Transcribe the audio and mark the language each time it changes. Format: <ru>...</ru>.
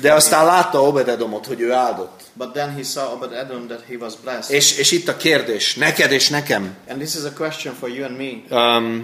<hu>De aztán látta Obed-Edomot, hogy ő áldott.</hu> <en>But then he saw Obed-Edom that he was blessed.</en> <hu>És itt a kérdés, neked és nekem.</hu> <en>And this is a question for you and me.</en>